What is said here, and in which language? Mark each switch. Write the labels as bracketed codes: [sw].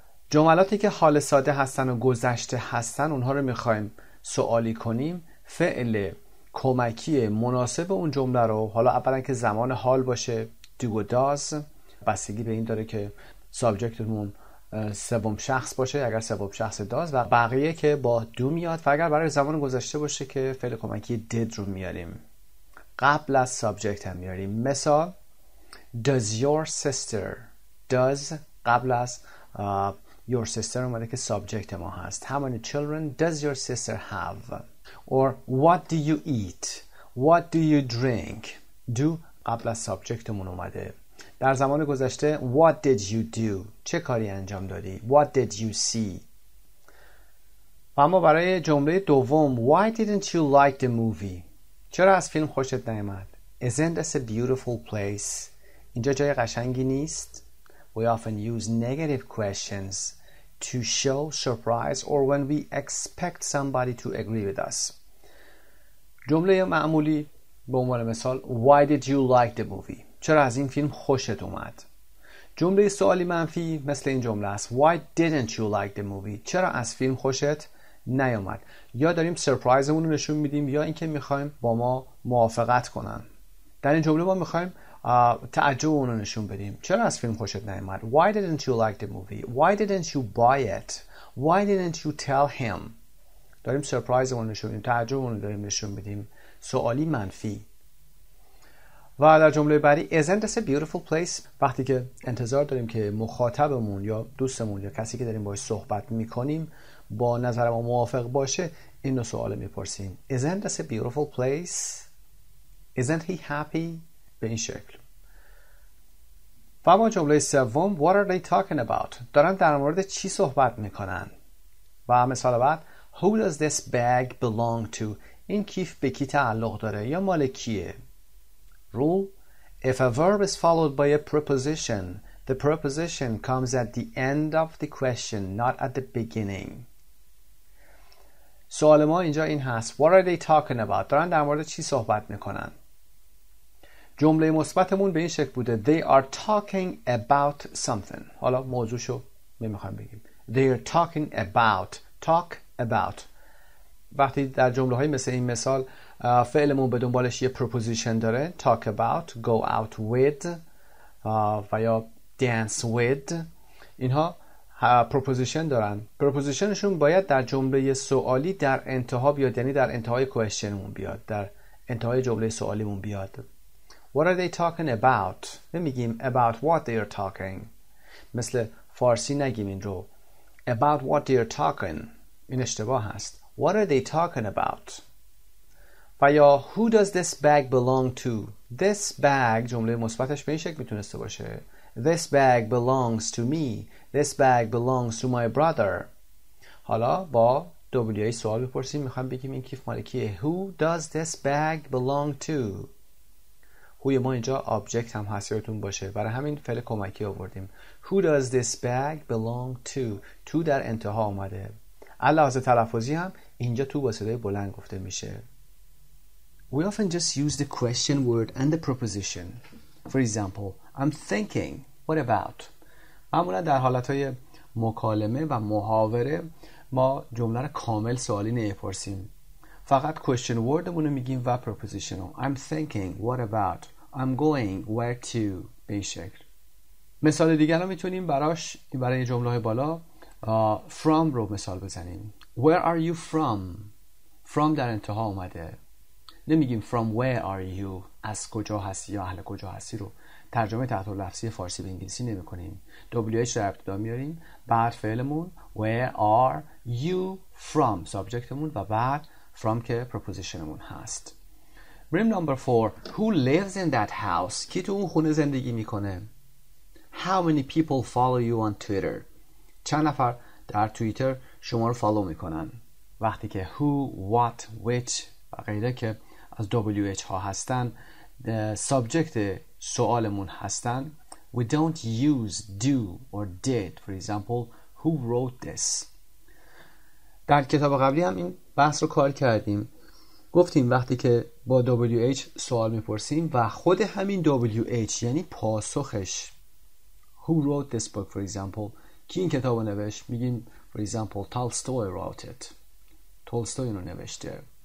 [fa] جملاتی که حال ساده هستن و گذشته هستن، اونها رو میخوایم سوالی کنیم، فعل کمکی مناسب اون جمله رو، حالا اولا که زمان حال باشه [en] do or does، [fa] بستگی به این داره که سابجکتمون سوم شخص باشه، اگر سوم شخص داز و بقیه که با دو میاد، و اگر برای زمان گذشته باشه که فعل کمکی did رو میاریم، قبل از سابجکت هم میاریم. مثال [en] Does your sister does [fa] قبل از [en] your sister [fa] اومده که سابجکت ما هست. [en] How many children does your sister have or what do you eat what do you drink do [fa] قبل از سابجکتمون اومده. در زمان گذشته [en] What did you do [fa] چه کاری انجام دادی. [en] What did you see. [fa] و اما برای جمله دوم [en] Why didn't you like the movie [fa] چرا از فیلم خوشت نیامد؟ [en] Isn't this a beautiful place؟ [fa] اینجا جای قشنگی نیست؟ [en] We often use negative questions to show surprise or when we expect somebody to agree with us. [fa] جمله معمولی به عنوان مثال [en] Why did you like the movie؟ [fa] چرا از این فیلم خوشت اومد؟ جمله سوالی منفی مثل این جمله است [en] Why didn't you like the movie؟ [fa] چرا از فیلم خوشت؟ نیومد. یا داریم سرپرایزمون رو نشون میدیم یا اینکه میخوایم با ما موافقت کنن. در این جمله ما میخوایم تعجب اون رو نشون بدیم. چرا از فیلم خوشت نیومد؟ [en] Why didn't you like the movie? Why didn't you buy it? Why didn't you tell him? [fa] داریم سرپرایزمون رو نشون میدیم، تعجب اون رو داریم نشون میدیم. سوالی منفی. و در جمله بعدی [en] Isn't this a beautiful place؟ [fa] وقتی که انتظار داریم که مخاطبمون یا دوستمون یا کسی که داریم باهاش صحبت میکنیم با نظر ما موافق باشه، اینو سوال میپرسیم [en] Isn't this a beautiful place? Isn't he happy? [fa] به این شکل. و اما جمله سوم [en] What are they talking about؟ [fa] دارن در مورد چی صحبت میکنن؟ و مثال بعد [en] Who does this bag belong to؟ [fa] این کیف به کی تعلق داره یا مال کیه؟ [en] Rule: If a verb is followed by a preposition, the preposition comes at the end of the question, not at the beginning. [fa] سوال ما اینجا این هست: [en] What are they talking about؟ [fa] دارن در مورد چی صحبت میکنن؟ جمله مثبتمون به این شکل بوده: [en] They are talking about something. [fa] حالا موضوعشو میخوایم بگیم. [en] They are talking about. Talk about. [fa] وقتی در جمله های مثل این مثال فعلمون به دنبالش یه پروپوزیشن داره، talk about، go out with و یا dance with، اینها پروپوزیشن دارن. پروپوزیشنشون باید در جمله سوالی در انتها بیاد، یعنی در انتهای کوئسچنمون بیاد، در انتهای جمله سوالیمون بیاد. [en] What are they talking about؟ [fa] نمیگیم [en] about what they are talking. [fa] مثل فارسی نگیم این رو [en] about what they are talking، [fa] این اشتباه هست. [en] What are they talking about؟ [fa] و یا [en] Who does this bag belong to؟ This bag، [fa] جمله مثبتش به این شکل میتونسته باشه: [en] This bag belongs to me. This bag belongs to my brother. [fa] حالا با دوبلیه سوال بپرسیم، میخوام بگیم این کیف مال کیه. [en] Who does this bag belong to؟ [fa] هوی ما اینجا آبجکت هم حسیتون باشه، برای همین فعل کمکی آوردیم. [en] Who does this bag belong to؟ [fa] تو در انتها آمده. لحاظ تلفظی هم اینجا تو با صدای بلند گفته میشه. [en] We often just use the question word and the preposition. For example, I'm thinking. What about? [fa] معمولا در حالتهای مکالمه و محاوره ما جمله رو کامل سوالی نمی‌پرسیم. فقط question wordمون رو میگیم و preposition رو. [en] I'm thinking. What about? I'm going. Where to? [fa] به این شکل. مثال دیگر رو میتونیم براش، برای جمله‌های بالا، from رو مثال بزنیم. [en] Where are you from؟ from [fa] در انتها اومده. نمیگیم [en] from where are you، [fa] از کجا هستی یا اهل کجا هستی رو ترجمه تحت لفظی فارسی به انگلیسی نمی کنیم. WH رو ابتدا میاریم، بعد فعلمون [en] where are you from [fa] سابجکتمون، و بعد from که پروپوزیشنمون هست. بریم نمبر 4. [en] Who lives in that house؟ [fa] کی تو اون خونه زندگی میکنه؟ [en] How many people follow you on Twitter؟ [fa] چند نفر در توییتر شما رو فالو میکنن؟ وقتی که who, what, which و غیره که از WH ها هستن، سابجکت سوالمون هستن. [en] We don't use do or did. For example, who wrote this. [fa] در کتاب قبلی هم این بحث رو کار کردیم، گفتیم وقتی که با WH سوال میپرسیم و خود همین WH یعنی پاسخش، [en] who wrote this book for example، [fa] کی این کتاب رو نوشت، میگیم [en] for example Tolstoy wrote it، [fa] تولستوی اینو نوشته.